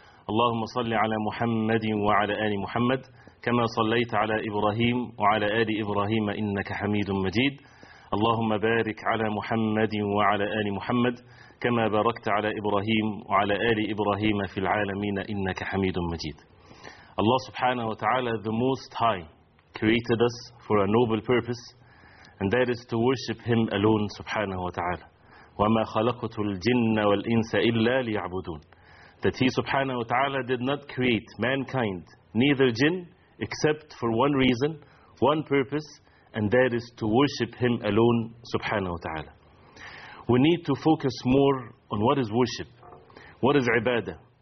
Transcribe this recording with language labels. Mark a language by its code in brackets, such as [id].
[ar] اللهم صل على محمد وعلى آل محمد كما صليت على إبراهيم وعلى آل إبراهيم إنك حميد مجيد. اللهم بارك على محمد وعلى آل محمد كما باركت على إبراهيم وعلى آل إبراهيم في العالمين إنك حميد مجيد. الله سبحانه وتعالى [en] the most high created us for a noble purpose and that is to worship him alone سبحانه وتعالى. [ar] وما خلقت الجن والإنس إلا ليعبدون. [en] That he سبحانه وتعالى did not create mankind neither jinn except for one reason, one purpose, and that is to worship him alone, subhanahu wa ta'ala. We need to focus more on what is worship. What is ibadah?